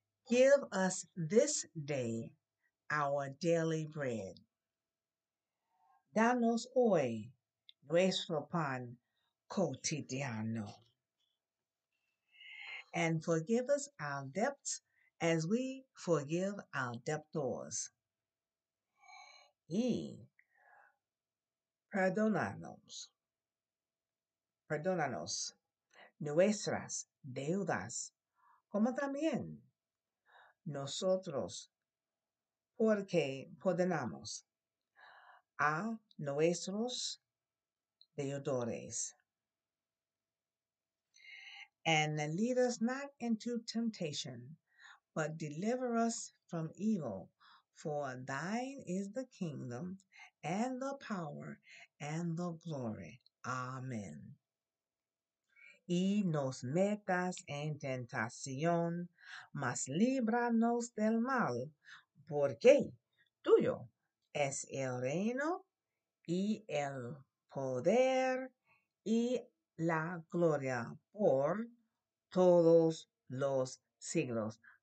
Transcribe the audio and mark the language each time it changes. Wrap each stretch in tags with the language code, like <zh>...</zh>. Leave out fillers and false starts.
<en>Give us this day our daily bread.</en> <es>Danos hoy nuestro pan cotidiano.</es> <en>And forgive us our debts as we forgive our debtors.</en> <es>Y perdónanos nuestras deudas, como también nosotros porque perdonamos a nuestros deudores.</es> <en>And lead us not into temptation, but deliver us from evil. For thine is the kingdom and the power and the glory. Amen.</en> <es>Y nos metas en tentación, mas líbranos del mal. Porque tuyo es el reino y el poder y la gloria por todos los siglos.</es>